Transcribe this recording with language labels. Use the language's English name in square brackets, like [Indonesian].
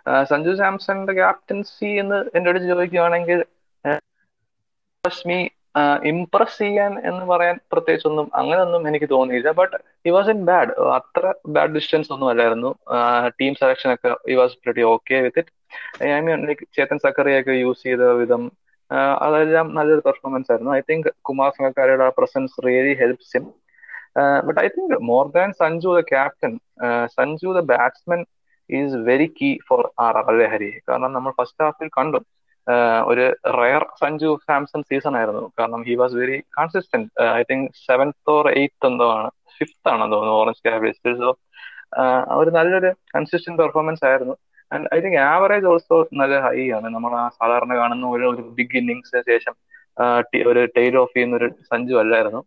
[Malayalam] Sanju സാംസന്റെ captaincy എന്ന് എന്റെ അടുത്ത് ചോദിക്കുകയാണെങ്കിൽ ഇംപ്രസ് ചെയ്യാൻ എന്ന് പറയാൻ പ്രത്യേകിച്ച് ഒന്നും അങ്ങനെ ഒന്നും എനിക്ക് തോന്നിയില്ല. [English] but he was in bad, [Malayalam] അത്ര ബാഡ് ഡിസ്റ്റൻസ് ഒന്നും അല്ലായിരുന്നു. [English] Team selection ഒക്കെ he was pretty okay with it. I mean like Chetan സക്കറിയൊക്കെ use [Malayalam] ചെയ്ത വിധം അതെല്ലാം നല്ലൊരു പെർഫോമൻസ് ആയിരുന്നു. [English] I think Kumar സംഗക്കാരയുടെ ആ presence really helps him. But I think more than Sanju, the captain, Sanju, the batsman, is very key for RR Lahiri. [Malayalam] കാരണം നമ്മൾ first ഹാഫിൽ കണ്ടു ഒരു റയർ സഞ്ജു സാംസൺ സീസൺ ആയിരുന്നു. [English] കാരണം he was very consistent. I think seventh or eighth [Malayalam] എന്തോ ആണ്, [English] fifth [Malayalam] ആണെന്ന് തോന്നുന്നു [English] Orange cavaliers. [Malayalam] സോ ഒരു നല്ലൊരു കൺസിസ്റ്റന്റ് പെർഫോമൻസ് ആയിരുന്നു. [English] and I think average also [Malayalam] നല്ല ഹൈ ആണ്. നമ്മൾ ആ സാധാരണ കാണുന്ന ഒരു ഒരു ബിഗ് ഇന്നിങ്സിന് ശേഷം ഒരു ടെയിൽ ഓഫ് ചെയ്യുന്ന ഒരു സഞ്ജു അല്ലായിരുന്നു.